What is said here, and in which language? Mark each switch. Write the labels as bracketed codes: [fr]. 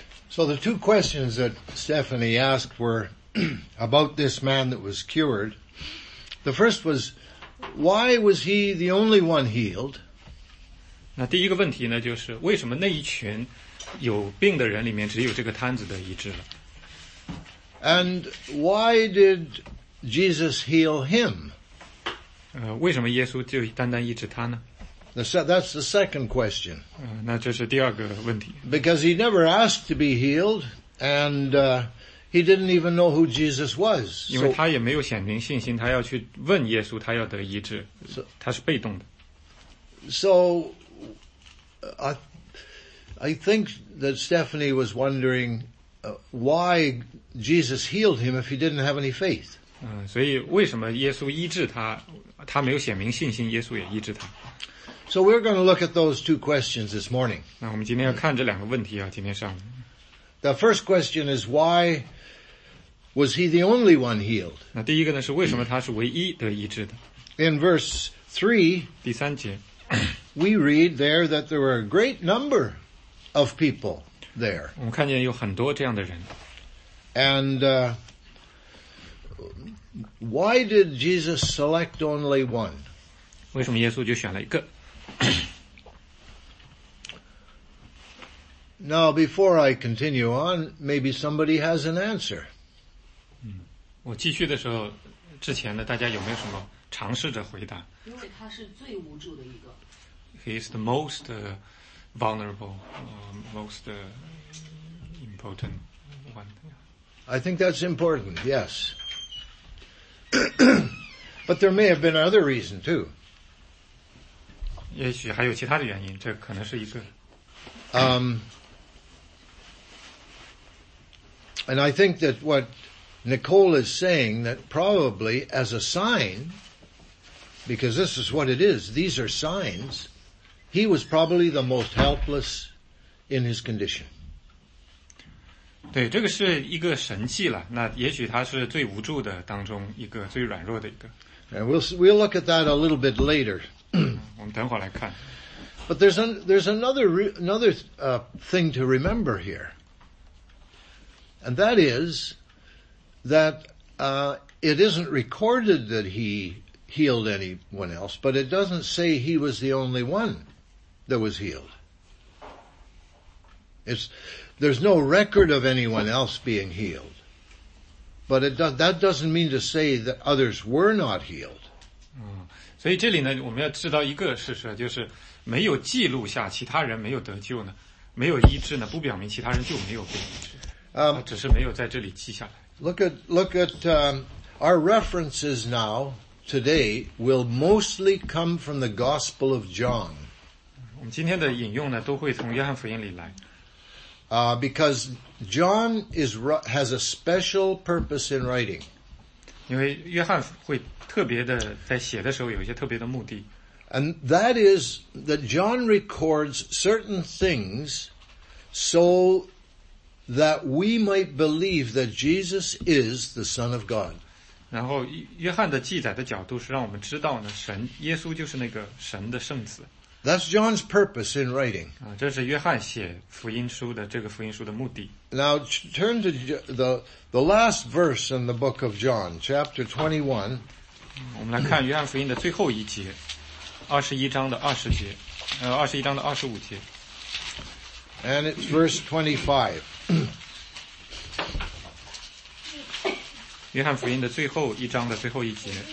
[en] So the two questions that Stephanie asked were about this man that was cured. The first was, why was he the only one healed? [zh] 那第一个问题呢，就是为什么那一群有病的人里面只有这个瘫子的医治了？ [en] And why did Jesus heal him? [zh] 为什么耶稣就单单医治他呢？ [en] That's the second question. [zh] 那这是第二个问题。 [en] Because he never asked to be healed, and he didn't even know who Jesus was. [zh] 因为他也没有显明信心，他要去问耶稣，他要得医治，他是被动的。 [en] So I think that Stephanie was wondering why Jesus healed him if he didn't have any faith. [zh] 所以为什么耶稣医治他，他没有显明信心，耶稣也医治他。 [en] So we're going to look at those two questions this morning. [zh] 那我们今天要看这两个问题啊，今天上午。 [en] The first question is why was he the only one healed? [zh] 那第一个呢是为什么他是唯一得医治的。 [en] In verse 3, [zh] 第三节。 [en] We read there that there were a great number of people there. [zh] 我们看见有很多这样的人。 [en] And, why did Jesus select only one? [zh] 为什么耶稣就选了一个？ [en] Now, before I continue on, maybe somebody has an answer. [zh] 我继续的时候，之前呢，大家有没有什么尝试着回答？因为他是最无助的一个。 [en] he is the most vulnerable, most important one. I think that's important, yes. But there may have been other reason too. [zh] 也许还有其他的原因，这可能是一个。 [en] And I think that what Nicole is saying, that probably as a sign, because this is what it is, these are signs, he was probably the most helpless in his condition. [zh] 对，这个是一个神迹了，那也许他是最无助的当中一个，最软弱的一个。 [en] And we'll look at that a little bit later. [zh] 我们等会儿来看。 [en] But there's another thing to remember here. And that is that it isn't recorded that he healed anyone else, but it doesn't say he was the only one that was healed. There's no record of anyone else being healed. But that doesn't mean to say that others were not healed. [zh] 所以这里呢，我们要知道一个事实，就是没有记录下其他人没有得救呢，没有医治呢，不表明其他人就没有被医治。只是没有在这里记下来。 [en] Look at our references now today will mostly come from the Gospel of John. [zh] 我们今天的引用呢，都会从约翰福音里来。 [en] Because John has a special purpose in writing. [zh] 因为约翰会特别的在写的时候有一些特别的目的。 [en] And that is that John records certain things so that we might believe that Jesus is the Son of God. [zh] 然后约翰的记载的角度是让我们知道呢，神耶稣就是那个神的圣子。 [en] That's John's purpose in writing. [zh] 这是约翰写福音书的这个福音书的目的。 [en] Now turn to the last verse in the book of John, chapter 21. [zh] 我们来看约翰福音的最后一节。 21章的25节 [en] And it's verse 25. [zh] 约翰福音的最后一章的最后一节。